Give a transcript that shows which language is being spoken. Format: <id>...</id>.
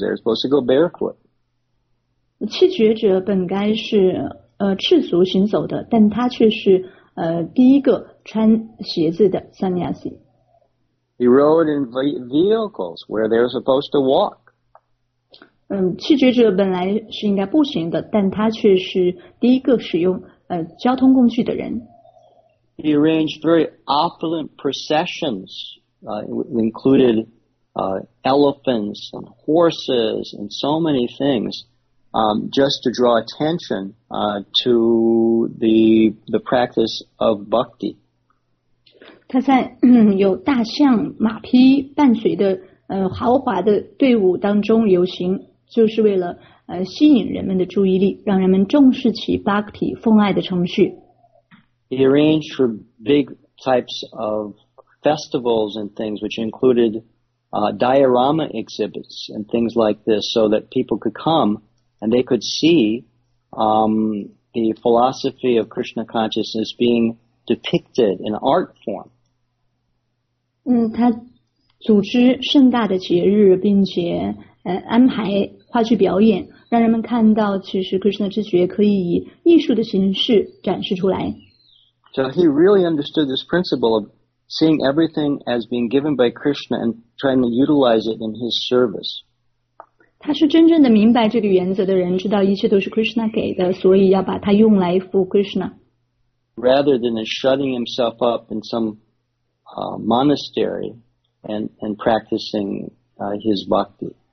<en>They're supposed to go barefoot.</en> <zh>弃绝者本该是赤足行走的，但他却是第一个穿鞋子的 sannyasi.</zh> <en>He rode in vehicles where they're supposed to walk.</en> <zh>弃绝者本来是应该步行的，但他却是第一个使用交通工具的人。</zh> <en>He arranged very opulent processions. Included elephants and horses and so many things just to draw attention to the practice of bhakti.</en> <zh>他在有大象马匹伴随的豪华的队伍当中游行，就是为了吸引人们的注意力，让人们重视起 bhakti 奉爱的程序。</zh> <en>He arranged for big types ofFestivals and things which included diorama exhibits and things like this so that people could come and they could see the philosophy of Krishna consciousness being depicted in art form.</en> <zh>他组织盛大的节日，并且安排话剧表演，让人们看到其实 Krishna 之觉可以以艺术的形式展示出来。</zh> <en>So he really understood this principle ofseeing everything as being given by Krishna and trying to utilize it in his service.</en> <zh>他是真正的明白这个原则的人，知道一切都是 Krishna 给的，所以要把它用来服务 Krishna.</zh> <en>Rather than shutting himself up in some monastery and practicing his bhakti.</en>